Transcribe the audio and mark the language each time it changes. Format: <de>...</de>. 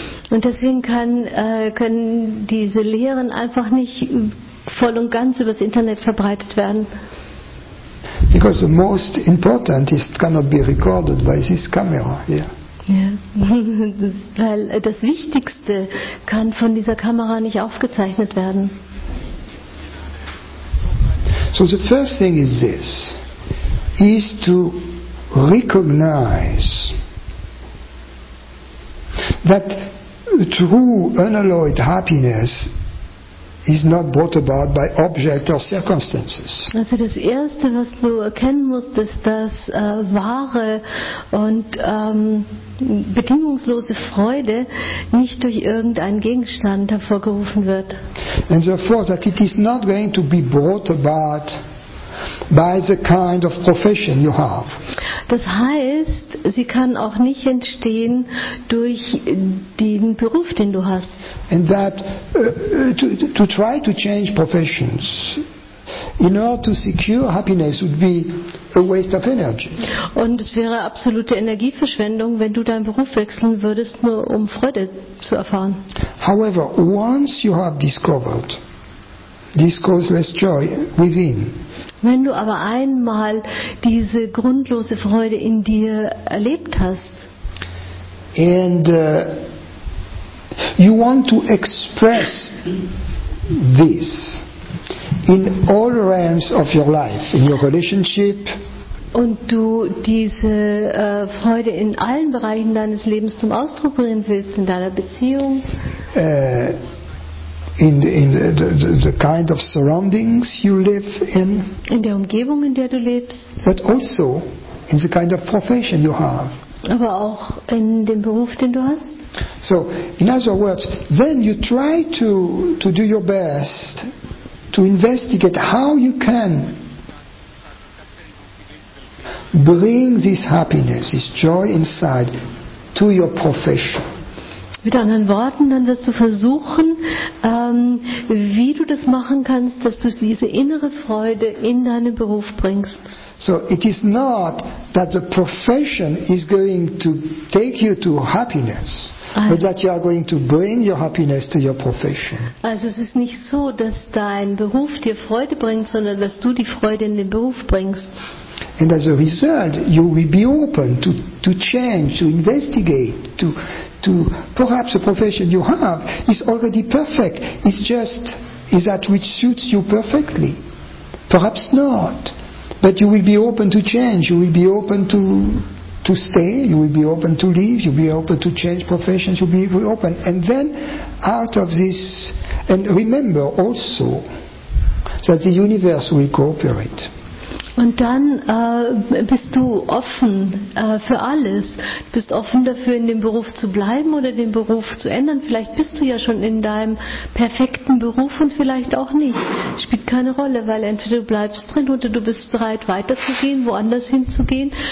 <de>Und deswegen können diese Lehren einfach nicht voll und ganz über das Internet verbreitet werden.</de> <en>Because the most important is cannot be recorded by this camera here. Yeah.</en> <de>Weil das Wichtigste kann von dieser Kamera nicht aufgezeichnet werden.</de> <en>So the first thing is this, is to recognize that true unalloyed happiness is not brought about by object or circumstances.</en> <de>Also das Erste, was du erkennen musst, ist, dass wahre und bedingungslose Freude nicht durch irgendeinen Gegenstand hervorgerufen wird.</de> <en>And therefore that it is not going to be brought about by the kind of profession you have.</en> <de>Das heißt, sie kann auch nicht entstehen durch den Beruf, den du hast.</de> <en>And that to try to change professions in order to secure happiness would be a waste of energy.</en> <de>Und es wäre absolute Energieverschwendung, wenn du deinen Beruf wechseln würdest, nur um Freude zu erfahren.</de> <en>However, once you have discovered this causeless joy within.</en> <de>Wenn du aber einmal diese grundlose Freude in dir erlebt hast,</de> <en>and you want to express this in all realms of your life, in your relationship,</en> <de>und du diese Freude in allen Bereichen deines Lebens zum Ausdruck bringen willst, in deiner Beziehung,</de> <en>In the kind of surroundings you live in.</en> <de>In der Umgebung, in der du lebst.</de> <en>But also in the kind of profession you have.</en> <de>Aber auch in dem Beruf, den du hast.</de> <en>So, in other words, then you try to do your best to investigate how you can bring this happiness, this joy inside to your profession.</en> <de>Mit anderen Worten, dann wirst du versuchen, wie du das machen kannst, dass du diese innere Freude in deinen Beruf bringst.</de> <en>So, it is not that the profession is going to take you to happiness, but that you are going to bring your happiness to your profession.</en> <de>Also es ist nicht so, dass dein Beruf dir Freude bringt, sondern dass du die Freude in den Beruf bringst.</de> <en>And as a result, you will be open to change, to investigate, to perhaps the profession you have is already perfect. It's just, is that which suits you perfectly? Perhaps not. But you will be open to change. You will be open to stay. You will be open to leave. You will be open to change professions. You will be open. And then, out of this, and remember also that the universe will cooperate.</en> <de>Und dann bist du offen für alles. Du bist offen dafür, in dem Beruf zu bleiben oder den Beruf zu ändern. Vielleicht bist du ja schon in deinem perfekten Beruf und vielleicht auch nicht. Spielt keine Rolle, weil entweder du bleibst drin oder du bist bereit, weiterzugehen, woanders hinzugehen.</de>